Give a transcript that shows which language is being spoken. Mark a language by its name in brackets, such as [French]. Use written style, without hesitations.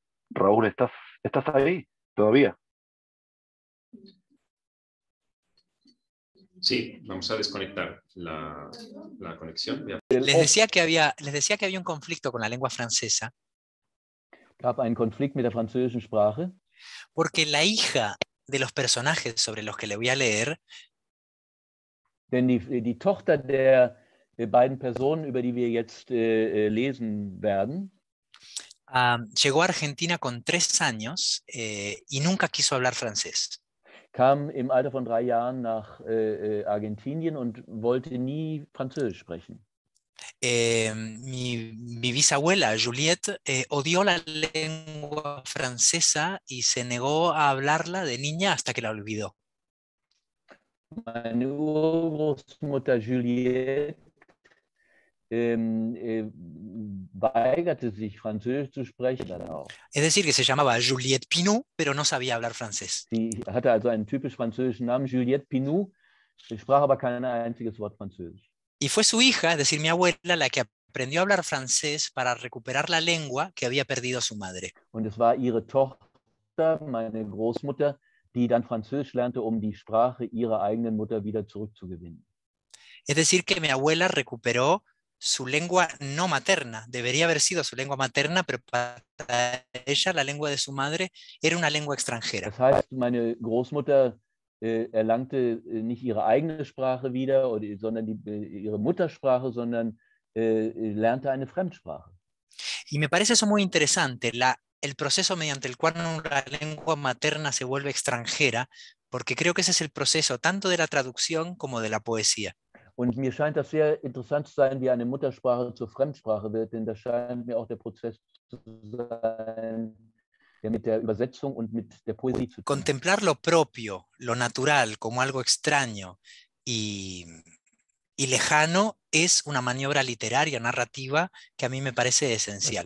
[Spanish] Raúl, ¿estás ahí todavía? Sí, vamos a desconectar la conexión. Les decía que había un conflicto con la lengua francesa. [German] Gab einen Konflikt mit der französischen Sprache. [Spanish] Porque la hija de los personajes sobre los que le voy a leer. [German] Denn die Tochter der beiden Personen, über die wir jetzt lesen werden. [Spanish] Llegó a Argentina con 3 años y nunca quiso hablar francés. [German] Kam im Alter von 3 Jahren nach Argentinien und wollte nie Französisch sprechen. [Spanish] Mi bisabuela, Juliette, odió la lengua francesa y se negó a hablarla de niña hasta que la olvidó. [German] Meine Urgroßmutter Juliette weigerte sich, Französisch zu sprechen, dann auch. [Spanish] Es decir, que se llamaba Juliette Pinou, pero no sabía hablar francés. [German] Sie hatte also einen typisch französischen Namen, Juliette Pinou, sprach aber kein einziges Wort Französisch. [Spanish] Y fue su hija, es decir, mi abuela, la que aprendió a hablar francés para recuperar la lengua que había perdido su madre. [German] Und es war ihre Tochter, meine Großmutter, die dann Französisch lernte, um die Sprache ihrer eigenen Mutter wieder zurückzugewinnen. [Spanish] Es decir, que mi abuela recuperó su lengua no materna. Debería haber sido su lengua materna, pero para ella la lengua de su madre era una lengua extranjera. [German] Das heißt, meine Großmutter erlangte nicht ihre eigene Sprache wieder, sondern ihre Muttersprache, sondern lernte eine Fremdsprache. [Spanish] Y me parece eso muy interesante, el proceso mediante el cual una lengua materna se vuelve extranjera, porque creo que ese es el proceso tanto de la traducción como de la poesía. [German] Und mir scheint das sehr interessant zu sein, wie eine Muttersprache zur Fremdsprache wird, denn das scheint mir auch der Prozess zu sein, der mit der Übersetzung und mit der Poesie zu tun. [Spanish] Contemplar lo propio, lo natural, como algo extraño y lejano, es una maniobra literaria, narrativa, que a mí me parece esencial.